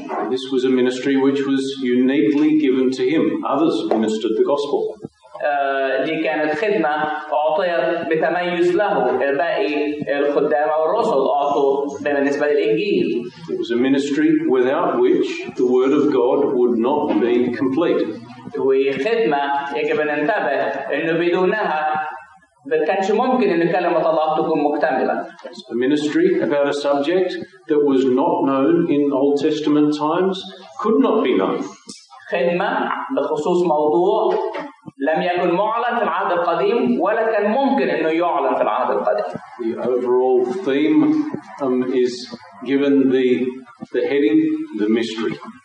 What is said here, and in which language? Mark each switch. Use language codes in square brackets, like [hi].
[en] This was a ministry which was uniquely given to him. Others ministered the gospel. [ar] دي كانت خدمة أعطيت بتميز له الباقي الخدام أو الرسل أعطوا بالنسبة للإنجيل. [en] It was a ministry without which the word of God would not be complete. [ar] وخدمة يجب أن ننتبه إنه بدونها بكنش ممكن إن كلمة الله تكون مكتملة. [en] It's a ministry about a subject that was not known in Old Testament times could not be known. [ar] خدمة بخصوص موضوع لم يكن معلن في العهد القديم ولا كان ممكن إنه يعلن في العهد القديم. [en] The overall theme is given the heading the mystery.